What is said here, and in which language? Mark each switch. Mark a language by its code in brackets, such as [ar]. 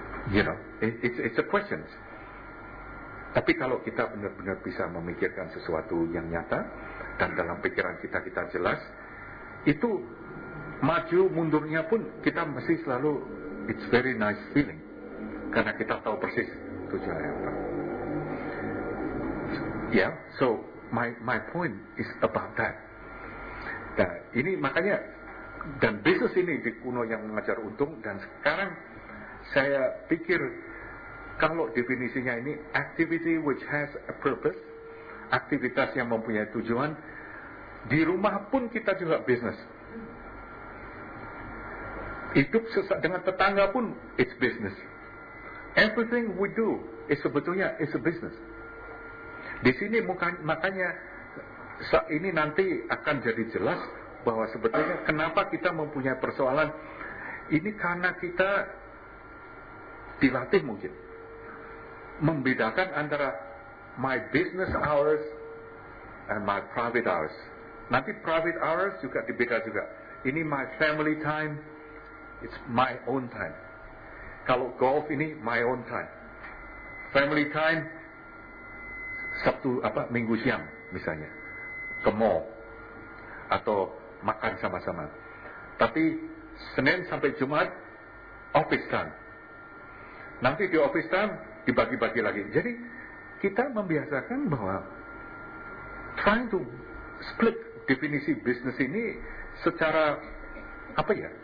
[en] You know, it's a question. [id] Tapi kalau kita benar-benar bisa memikirkan sesuatu yang nyata, dan dalam pikiran kita, kita jelas, itu maju mundurnya pun kita mesti selalu, [en] it's very nice feeling. [id] Karena kita tahu persis tujuannya apa. [en] Yeah, so my point is about that. [id] Nah, ini makanya, dan bisnis ini di kuno yang mengajar untung, dan sekarang saya pikir, kalau definisinya ini, [en] activity which has a purpose, [id] aktivitas yang mempunyai tujuan, di rumah pun kita juga business. Hidup dengan tetangga pun, [en] it's business. Everything we do, is a business. [id] Di sini makanya, ini nanti akan jadi jelas, bahwa sebetulnya kenapa kita mempunyai persoalan, ini karena kita dilatih mungkin. Membedakan antara [en] my business hours and my private hours. [id] Nanti private hours juga dibedakan juga. [en] Ini my family time, it's my own time. [id] Kalau golf ini [en] my own time. [id] Family time Sabtu apa Minggu siang misalnya ke mall atau makan sama-sama. Tapi Senin sampai Jumat office time. Nanti di office time dibagi-bagi lagi. Jadi kita membiasakan bahwa [en] trying to split [id] definisi bisnis ini secara apa ya?